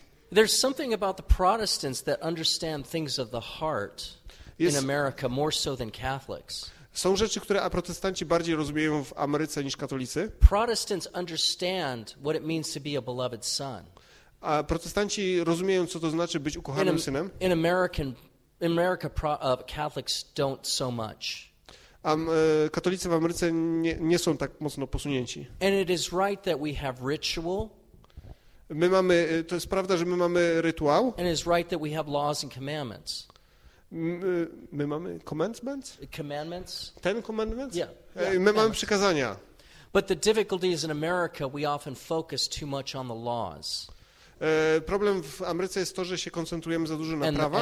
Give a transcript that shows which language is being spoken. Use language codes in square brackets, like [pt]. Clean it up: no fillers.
[en] There's something about the Protestants that understand things of the heart in America more so than Catholics. [pl] Są rzeczy, które protestanci bardziej rozumieją w Ameryce niż katolicy. [en] Protestants understand what it means to be a beloved son. [pl] A protestanci rozumieją, co to znaczy być ukochanym synem. [en] In America, Catholics don't so much. [pl] Katolicy w Ameryce nie są tak mocno posunięci. [en] And it is right that we have ritual. [pl] My mamy, to jest prawda, że my mamy rytuał. [en] And it is right that we have laws and commandments. [pl] My mamy commandments? [en] Commandments? Ten commandments? Yeah. [pl] My mamy przykazania. [en] But the difficulty is in America we often focus too much on the laws. [pl] Problem w Ameryce jest to, że się koncentrujemy za dużo na prawach